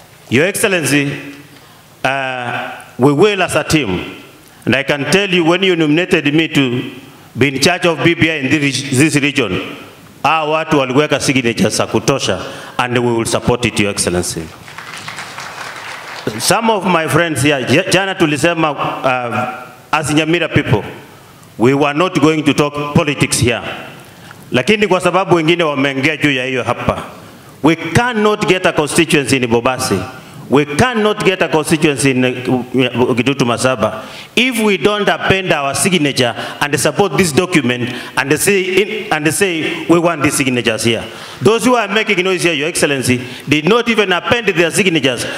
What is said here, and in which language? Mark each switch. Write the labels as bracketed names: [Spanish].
[English] Your Excellency, we will as a team, and I can tell you, when you nominated me to be in charge of BPI in this region, our [Swahili] watu waliweka [English] signatures [Swahili] za kutosha, [English] and we will support it, Your Excellency. Some of my friends here, [Swahili] jana tulisema, [English] as Nyamira people, we were not going to talk politics here. [Swahili] Lakini kwa sababu wengine wameongea juu ya hiyo hapa. [English] We cannot get a constituency in Bobasi. We cannot get a constituency in Kitutu Masaba if we don't append our signature and support this document and say we want these signatures here. Those who are making noise here, Your Excellency, did not even append their signatures.